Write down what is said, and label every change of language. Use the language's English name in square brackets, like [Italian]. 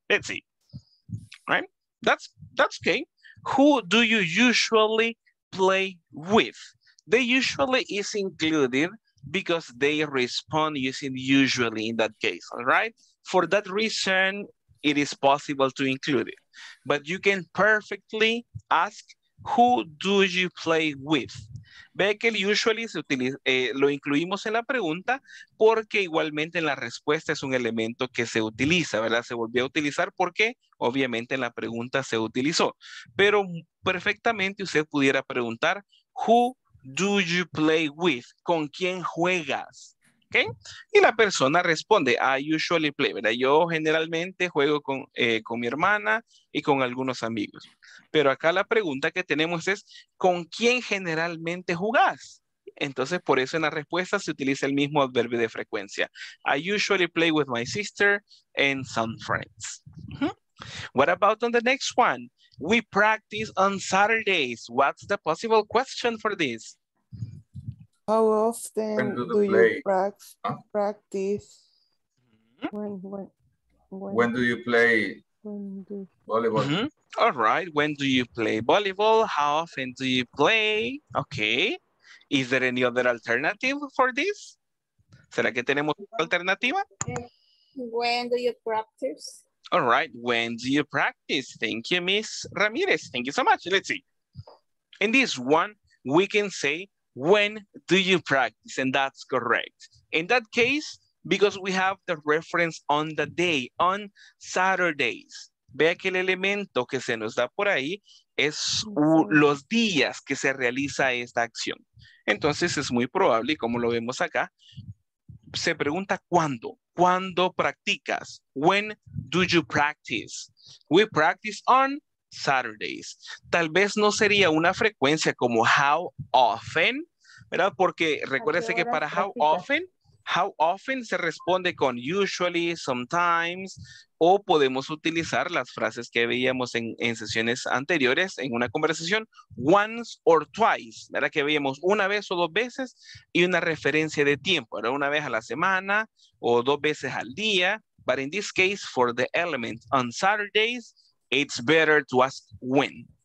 [English] Let's see. Right? That's okay. Who do you usually play with? They usually is included because they respond using usually in that case. All right? For that reason, it is possible to include it. But you can perfectly ask, who do you play with? [Spanish] Ve que el usually se utiliza, lo incluimos en la pregunta porque igualmente en la respuesta es un elemento que se utiliza, ¿verdad? Se volvió a utilizar porque obviamente en la pregunta se utilizó. Pero perfectamente usted pudiera preguntar, [English] who do you play with? [Spanish] ¿Con quién juegas? ¿Okay? Y la persona responde, [English] I usually play, [Spanish] ¿verdad? Yo generalmente juego con mi hermana y con algunos amigos. Pero acá la pregunta que tenemos es, ¿con quién generalmente jugás? Entonces, por eso en la respuesta se utiliza el mismo adverbio de frecuencia. [English] I usually play with my sister and some friends. What about on the next one? We practice on Saturdays. What's the possible question for this? How often do you practice? When do you play volleyball? Mm-hmm. All right. When do you play volleyball? How often do you play? Okay. Is there any other alternative for this? [Spanish] ¿Será que tenemos otra alternativa? [English] When do you practice? All right. When do you practice? Thank you, Miss Ramirez. Thank you so much. Let's see. In this one, we can say, when do you practice? And that's correct. In that case, because we have the reference on the day, on Saturdays. [Spanish] Vea que el elemento que se nos da por ahí es los días que se realiza esta acción. Entonces es muy probable, y como lo vemos acá, se pregunta ¿cuándo? ¿Cuándo practicas? [English] When do you practice? We practice on Saturdays. [Spanish] Tal vez no sería una frecuencia como [English] how often, [Spanish] ¿verdad? Porque recuérdese que para [English] how often [Spanish] se responde con [English] usually, sometimes, [Spanish] o podemos utilizar las frases que veíamos en sesiones anteriores en una conversación, [English] once or twice, [Spanish] ¿verdad? Que veíamos una vez o dos veces y una referencia de tiempo, ¿verdad? Una vez a la semana o dos veces al día. [English] But in this case, for the element on Saturdays, it's better to ask when.